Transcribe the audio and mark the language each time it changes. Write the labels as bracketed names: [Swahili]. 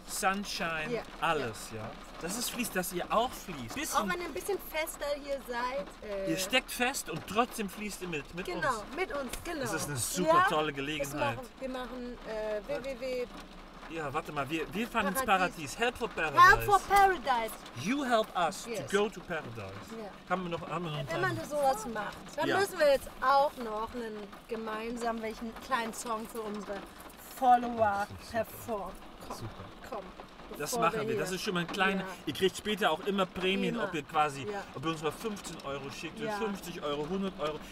[German] Sunshine, alles, Das ist fließt, dass ihr auch fließt. Bisschen, auch wenn ihr ein bisschen fester hier seid. Ihr steckt fest und trotzdem fließt ihr mit genau, uns. Genau, mit uns, genau. Das ist eine super tolle Gelegenheit. Wir machen www. Ja, warte mal, wir fahren ins Paradies. [English] Help for Paradise. Help for Paradise. You help us to go to Paradise. [German] Ja. Haben wir noch wenn man sowas macht, dann müssen wir jetzt auch noch einen gemeinsamen kleinen Song für unsere Follower performen. Komm. Bevor das machen wir. Das ist schon mal ein kleiner. Ja. Ihr kriegt später auch immer Prämien, ob ihr quasi, ob ihr uns mal 15 Euro schickt, 50 Euro, 100 Euro.